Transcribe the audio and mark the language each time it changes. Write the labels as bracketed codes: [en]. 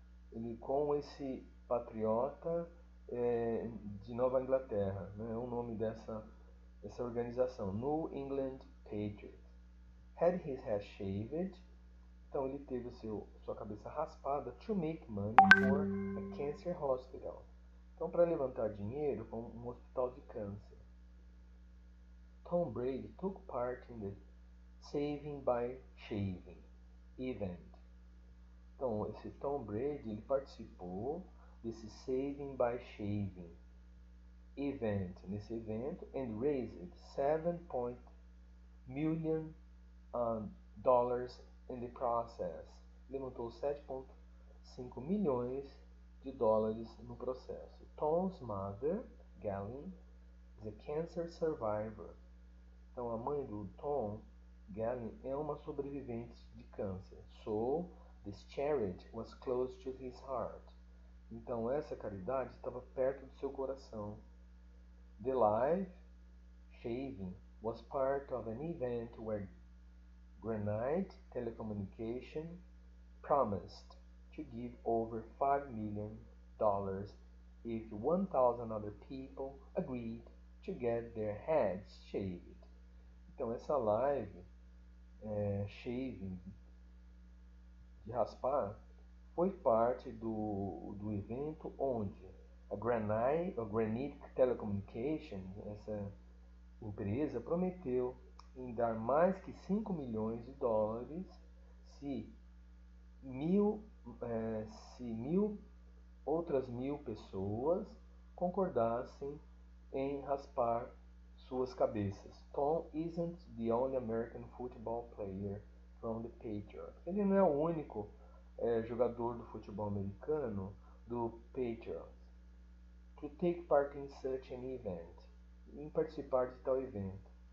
[pt] Ele com esse patriota de Nova Inglaterra, né? É o nome dessa organização, New England Patriots. [en] Had his hair shaved. [pt] Então ele teve sua cabeça raspada [en] to make money for a cancer hospital. [pt] Então, para levantar dinheiro para um hospital de câncer. [en] Tom Brady took part in the Saving by Shaving event. [pt] Então, esse Tom Brady, ele participou desse Saving by Shaving event, nesse evento, [en] and raised 7 million dollars in the process. [pt] Levantou 7,5 milhões de dólares no processo. [en] Tom's mother, Galen, is a cancer survivor. [pt] Então, a mãe do Tom, Galen, é uma sobrevivente de câncer. [en] So, this charity was close to his heart. [pt] Então, essa caridade estava perto do seu coração. [en] The life saving was part of an event where Granite Telecommunication promised to give over $5 million if 1,000 other people agreed to get their heads shaved. [pt] Então, essa live shaving, de raspar, foi parte do evento onde a Granite Telecommunication, essa empresa, prometeu em dar mais que 5 milhões de dólares se mil outras mil pessoas concordassem em raspar suas cabeças. [en] Tom isn't the only American football player from the Patriots. [pt] Ele não é o único jogador do futebol americano do Patriots [en] to take part in such an event, [pt] em participar de tal evento.